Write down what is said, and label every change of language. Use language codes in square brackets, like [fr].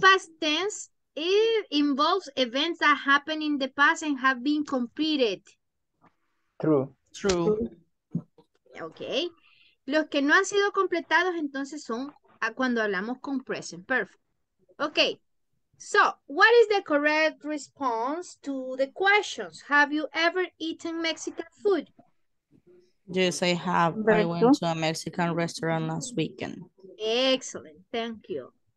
[en] Past tense it involves events that happened in the past and have been completed. True. Okay. [es] Los que no han sido completados entonces son cuando hablamos con present perfect. [en] Okay, so what is the correct response to the questions? Have you ever eaten Mexican food? Yes, I have. Very I went cool. to a Mexican restaurant last weekend. Excellent. Thank you.